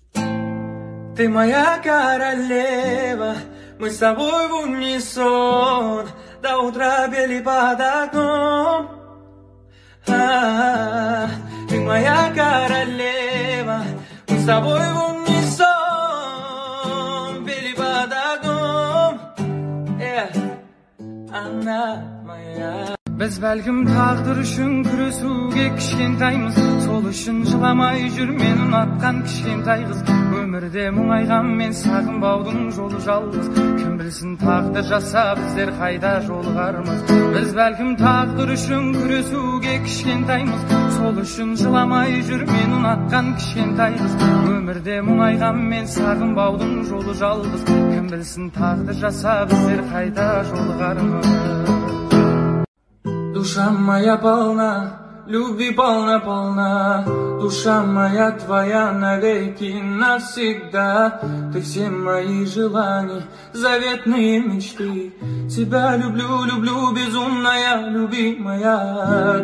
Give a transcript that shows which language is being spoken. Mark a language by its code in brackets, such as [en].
[ru] Ты моя королева, мы с тобой в унисон, до утра пели под окном. Ты моя королева, мы с тобой в унисон, пели под окном. Она моя. [kk] Без бәлгім тағдыр үшін күресуге кішкентаймыз, сол үшін жыламай жүр мен ұнатқан кішкентай қыз. Өмірде мұңайған мен сағынбаудың жолы жалғыз, кім білсін тағдыр жаса біздер қайда жолығармыз. Біз бәлгім тағдыр үшін күресуге кішкентаймыз, сол үшін жыламай жүр мен ұнатқан кішкентай қыз. Өмірде мұңайған мен сағынбаудың жолы жалғыз, кім білсін тағдыр жаса біздер қайда жолығармыз. [ru] Душа моя полна, любви полна-полна, душа моя твоя навеки навсегда. Ты все мои желания, заветные мечты, тебя люблю, люблю, безумная любимая.